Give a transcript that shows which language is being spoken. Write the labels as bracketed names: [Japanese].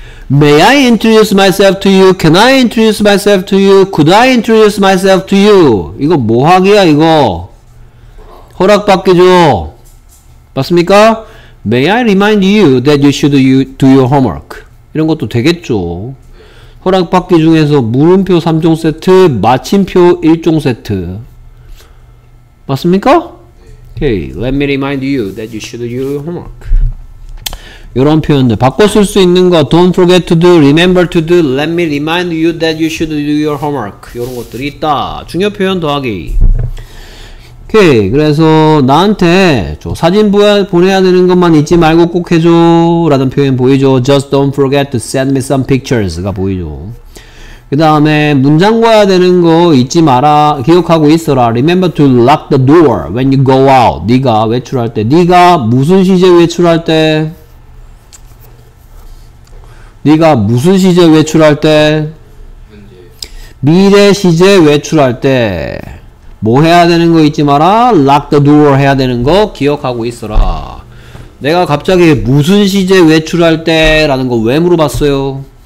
[English] 'May I introduce myself to you? Can I introduce myself to you? Could I introduce myself to you?' [Korean] 이거 뭐 하기야 이거? 허락받기죠. 맞습니까? [English] May I remind you that you should do your homework? [Korean] 이런 것도 되겠죠. 허락받기 중에서 물음표 3종 세트, 마침표 1종 세트. 맞습니까? Okay. [English] Let me remind you that you should do your homework. [Korean] 이런 표현들 바꿔 쓸 수 있는 거 [English] Don't forget to do, remember to do, let me remind you that you should do your homework. [Korean] 이런 것들이 있다. 중요 표현 더하기. 오케이. 그래서 나한테 저 사진 보내야 되는 것만 잊지 말고 꼭 해줘 라는 표현 보이죠. [English] Just don't forget to send me some pictures [Korean] 가 보이죠. 그 다음에 문장 봐야 되는 거 잊지 마라, 기억하고 있어라. [English] Remember to lock the door when you go out. [Korean] 네가 외출할 때, 네가 무슨 시제 외출할 때, 네가 무슨 시제 외출할 때? 미래 시제 외출할 때 뭐 해야 되는 거 잊지 마라. [English] Lock the door [Korean] 해야 되는 거 기억하고 있어라. 내가 갑자기 무슨 시제 외출할 때 라는 거 왜 물어봤어요?